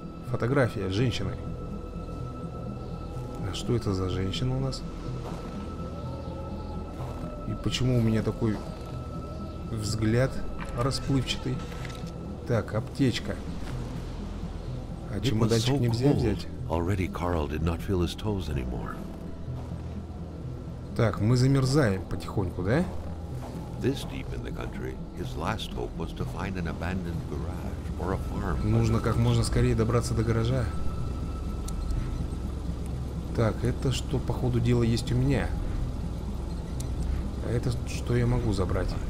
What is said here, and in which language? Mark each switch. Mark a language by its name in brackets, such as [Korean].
[Russian] Фотография женщины. А что это за женщина у нас? И почему у меня такой взгляд расплывчатый? Так, аптечка. А чемоданчик нельзя взять? [English] Already Carl did not feel his toes anymore. [Russian] Так, мы замерзаем потихоньку, да? [English] This deep in the country, his last hope was to find an abandoned garage or a farm. [Russian] Нужно как можно скорее добраться до гаража. Так, это что, по ходу дела, есть у меня? А это что я могу забрать?